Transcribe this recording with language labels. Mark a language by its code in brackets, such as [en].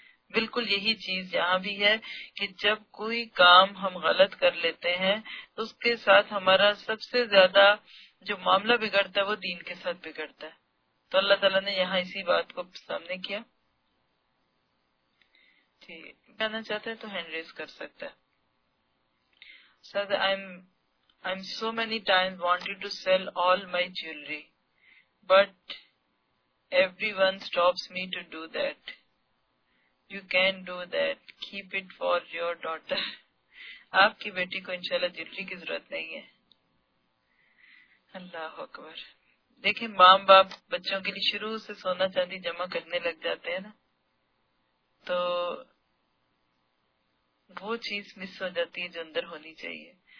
[ur] بالکل یہی چیز یہاں بھی ہے کہ جب کوئی کام ہم غلط کر لیتے ہیں تو اس کے ساتھ ہمارا سب سے زیادہ جو معاملہ بگڑتا ہے وہ دین کے ساتھ بگڑتا ہے. تو اللہ تعالیٰ نے یہاں اسی بات کو سامنے کیا. ٹھیک کہنا چاہتے ہیں تو ہینڈ ریز کر سکتے ہیں. [en] Sir I'm so many times wanted to sell all my jewelry, but everyone stops me to do that. You can do that. Keep it for your daughter. [ur] آپ کی بیٹی کو انشاءاللہ جیولری کی ضرورت نہیں ہے. اللہ اکبر. دیکھیں ماں باپ بچوں کے لیے شروع سے سونا چاندی جمع کرنے لگ جاتے ہیں نا, تو وہ چیز مس ہو جاتی ہے جو اندر ہونی چاہیے.